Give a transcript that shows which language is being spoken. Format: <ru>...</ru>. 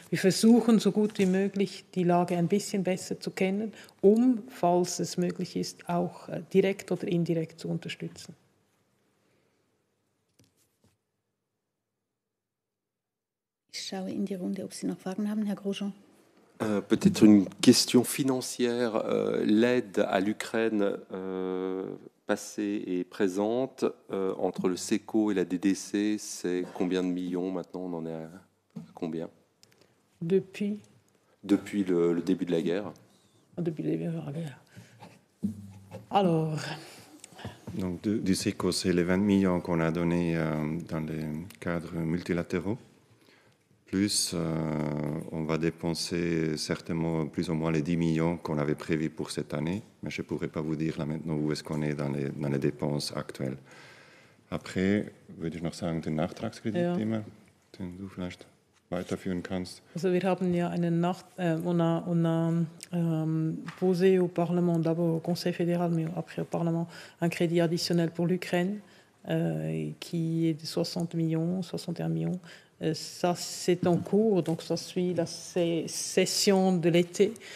<de>Wir versuchen so gut wie möglich, die Lage ein bisschen besser zu kennen, um, falls es möglich ist, auch direkt oder indirekt zu unterstützen. Ich schaue in die Runde, ob Sie noch Fragen haben, Herr Grosjean.</de> <fr>Peut-être une question financière. L'aide à l'Ukraine passée et présente, entre le SECO et la DDC, c'est combien de millions maintenant? On en est à combien? Depuis le début de la guerre. Depuis le début de la guerre. Alors. Donc, du SECO, c'est les 20 millions qu'on a donnés dans les cadres multilatéraux. Plus, on va dépenser certainement plus ou moins les 10 millions qu'on avait prévus pour cette année. Mais je ne pourrais pas vous dire là maintenant où est-ce qu'on est dans les dépenses actuelles. Après,</fr> <de>würde ich noch sagen, den Nachtragskredit-Thema, den du vielleicht weiterführen kannst. Also wir haben ja einen</de> <fr>posé au Parlement, d'abord au Conseil fédéral, mais après au Parlement, un crédit additionnel pour l'Ukraine, qui est de 61 millions. Ça, c'est en cours, donc ça suit la session de l'été.</fr>